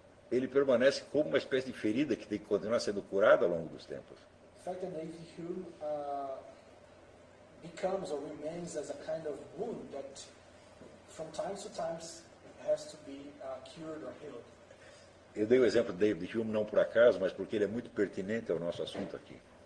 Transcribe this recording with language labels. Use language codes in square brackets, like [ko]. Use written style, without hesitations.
[pt] ele permanece como uma espécie de ferida que tem que continuar sendo curada ao longo dos tempos. [en] The fact that David Hume becomes or remains as a kind of wound that from time to time has to be cured or healed. [pt] Eu dei o exemplo de David Hume não por acaso, mas porque ele é muito pertinente ao nosso assunto aqui.